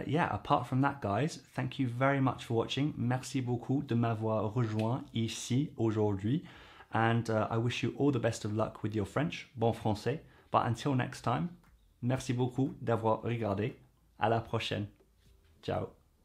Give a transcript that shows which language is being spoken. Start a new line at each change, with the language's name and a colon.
English: Apart from that, guys, thank you very much for watching.
French: Merci beaucoup de m'avoir rejoint ici aujourd'hui.
English: And I wish you all the best of luck with your French.
French: Bon français.
English: But until next time,
French: merci beaucoup d'avoir regardé. À la prochaine. Ciao.